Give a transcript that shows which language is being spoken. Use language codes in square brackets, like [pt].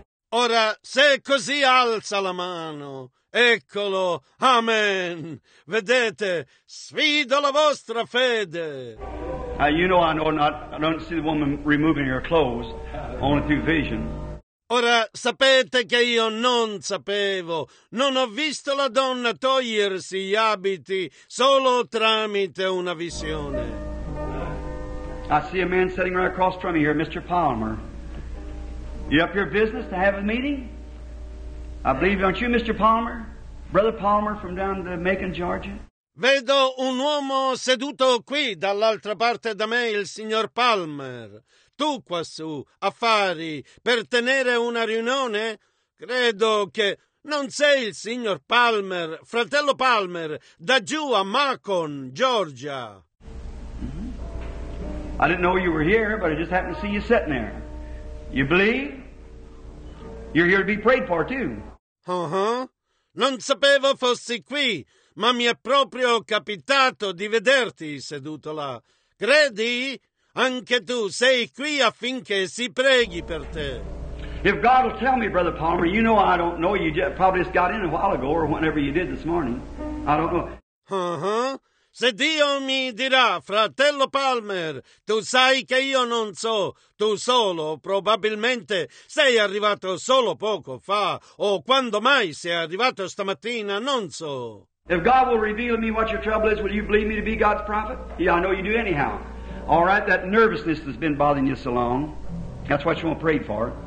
[it] Ora, se è così, alza la mano. Eccolo. Amen. Vedete, sfido la vostra fede. [en] You know I know not. I don't see the woman removing her clothes. Only through vision. [it] Ora sapete che io non sapevo, non ho visto la donna togliersi gli abiti solo tramite una visione. [en] I see a man sitting right across from me here, Mr. Palmer. You up your business to have a meeting? I believe, aren't you, Mr. Palmer? Brother Palmer from down to Macon, Georgia? [it] Vedo un uomo seduto qui dall'altra parte da me, il signor Palmer. Tu quassù, affari, per tenere una riunione? Credo che non sei il signor Palmer, fratello Palmer, da giù a Macon, Georgia. [en] I didn't know you were here, but I just happened to see you sitting there. You believe? You're here to be prayed for too. [it] Non sapevo fossi qui, ma mi è proprio capitato di vederti seduto là. Credi? Anche tu sei qui affinché si preghi per te. [en] If God will tell me, Brother Palmer, you know I don't know. You just, probably just got in a while ago or whenever you did this morning. I don't know. [it] Se Dio mi dirà, fratello Palmer, tu sai che io non so. Tu solo, probabilmente, sei arrivato solo poco fa. O quando mai sei arrivato stamattina, non so. [en] If God will reveal me what your trouble is, will you believe me to be God's prophet? Yeah, I know you do anyhow. All right, that nervousness that's been bothering you so long, that's what you want to pray for.